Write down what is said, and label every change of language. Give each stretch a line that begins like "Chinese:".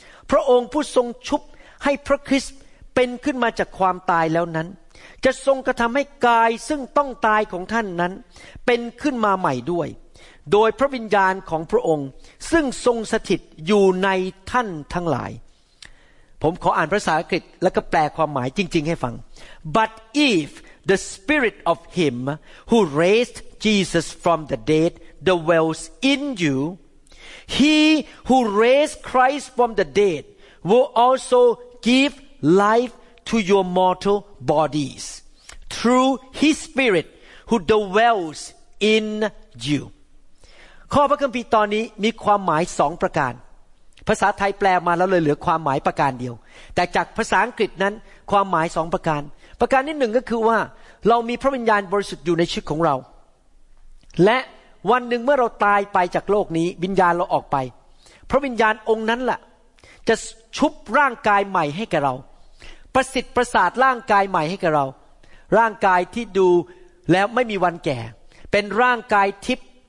Thai: พระองค์ผู้ทรงชุบให้พระคริสต์เป็นขึ้นมาจากความตายแล้วนั้นจะทรงกระทำให้กายซึ่งต้องตายของท่านนั้นเป็นขึ้นมาใหม่ด้วยโดยพระวิญญาณของพระองค์ซึ่งทรงสถิตอยู่ในท่านทั้งหลาย ผมขออ่านภาษาอังกฤษแล้วก็แปลความหมายจริงๆให้ฟัง
English: But if the spirit of him who raised Jesus from the dead dwells in you, he who raised Christ from the dead will also give life to your mortal bodies through His Spirit who dwells in you.
Thai: ข้อพระคัมภีร์ตอนนี้มีความหมายสองประการภาษาไทยแปลมาแล้วเลยเหลือความหมายประการเดียวแต่จากภาษาอังกฤษนั้นความหมายสองประการประการที่หนึ่งก็คือว่าเรามีพระวิญญาณบริสุทธิ์อยู่ในชีวิตของเราและวันหนึ่งเมื่อเราตายไปจากโลกนี้วิญญาณเราออกไปพระวิญญาณองค์นั้นล่ะจะชุบร่างกายใหม่ให้แก่เราประสิทธิ์ประสาทร่างกายใหม่ให้แก่เราร่างกายที่ดูแล้วไม่มีวันแก่เป็นร่างกายทิพย์